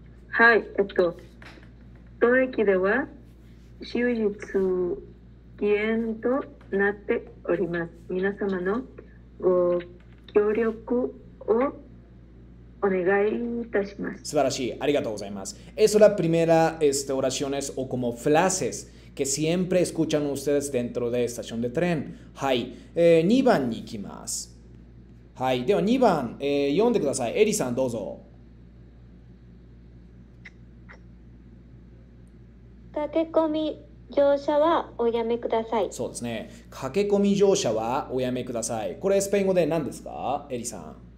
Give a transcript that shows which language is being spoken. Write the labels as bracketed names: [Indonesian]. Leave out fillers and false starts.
[Japanese] はい、当駅では終日記念となっております。皆様のご協力をお願いいたします。素晴らしい、ありがとうございます。 [Spanish] Es la primera oraciones o como frases que siempre escuchan ustedes dentro de estación de tren. [Japanese] はい、2番に行きます。はい、では2番、読んでください。エリさん、どうぞ。駆け込み乗車はおやめください。そうですね。駆け込み乗車はおやめください。これスペイン語で何ですか、エリさん。